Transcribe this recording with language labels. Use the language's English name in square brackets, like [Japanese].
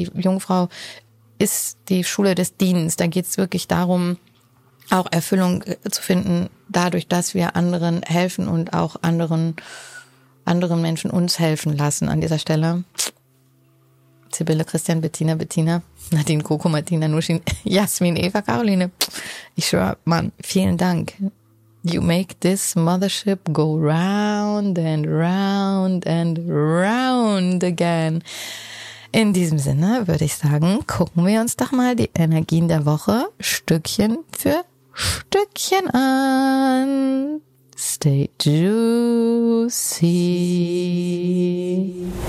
[German] Die Jungfrau ist die Schule des Dienens. Da geht's wirklich darum, auch Erfüllung zu finden, dadurch, dass wir anderen helfen und auch anderen Menschen uns helfen lassen an dieser Stelle. Sibylle, Christian, Bettina, Nadine, Coco, Martina, Nushin, Jasmin, Eva, Caroline. Ich schwöre, Mann, vielen Dank. [English] You make this mothership go round and round and round again. [German] In diesem Sinne würde ich sagen, gucken wir uns doch mal die Energien der Woche Stückchen für Stückchen an. [English] Stay juicy.